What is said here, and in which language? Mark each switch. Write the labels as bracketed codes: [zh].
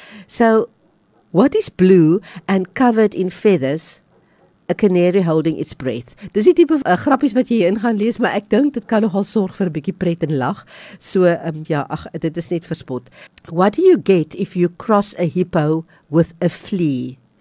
[en] So, what is blue and covered in feathers? A canary holding its breath. [af] Dis die type grappies wat jy hier in gaan lees, maar ek dink dit kan nogal sorg vir 'n bietjie pret en lag. So, dit is net vir spot. [en] What do you get if you cross a hippo with a flea?